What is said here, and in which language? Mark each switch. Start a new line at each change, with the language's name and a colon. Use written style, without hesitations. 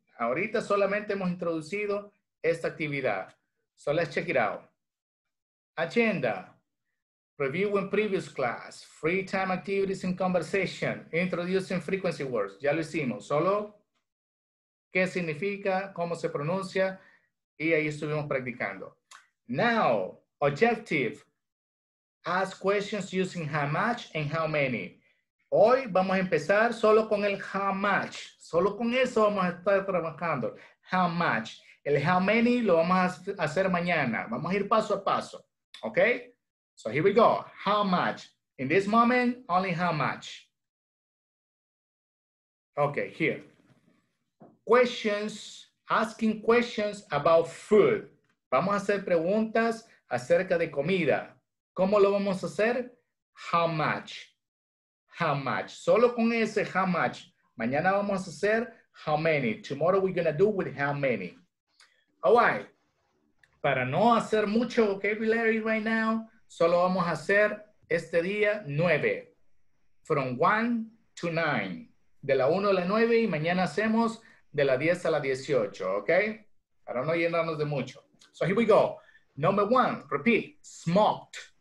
Spanish: Ahorita solamente hemos introducido esta actividad.
English: So let's check it out. Agenda. Review in previous class, free time activities and conversation, introducing frequency words.
Spanish: Ya lo hicimos, solo qué significa, cómo se pronuncia, y ahí estuvimos practicando.
English: Now, objective, ask questions using how much and how many.
Spanish: Hoy vamos a empezar solo con el how much, solo con eso vamos a estar trabajando, how much. El how many lo vamos a hacer mañana, vamos a ir paso a paso, ¿ok?
English: So here we go. How much? In this moment, only how much. Okay, here. Questions, asking questions about food.
Spanish: Vamos a hacer preguntas acerca de comida. ¿Cómo lo vamos a hacer? How much? How much? Solo con ese how much. Mañana vamos a hacer how many.
English: Tomorrow we're going to do with how many. All right.
Spanish: Para no hacer mucho
English: vocabulary right now,
Spanish: solo vamos a hacer este día 9,
English: from 1 to 9,
Spanish: de la 1 a la 9 y mañana hacemos de la 10 a la 18, ¿ok? Para no llenarnos de mucho.
English: So here we go. Number one, repeat, smoked.